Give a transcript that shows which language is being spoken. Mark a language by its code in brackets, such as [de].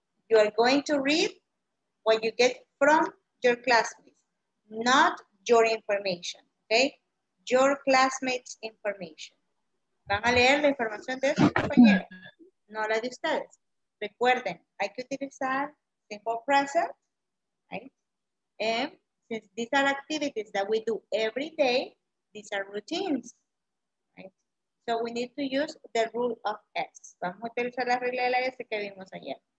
[en] You are going to read what you get from your classmates, not your information, okay? Your classmates' information. [es] Van a leer la información de sus compañeros, no la de ustedes. Recuerden, hay que utilizar [en] simple present, right? And since these are activities that we do every day, these are routines, right? So we need to use the rule of S. [es] Vamos a utilizar la regla de la S que vimos ayer.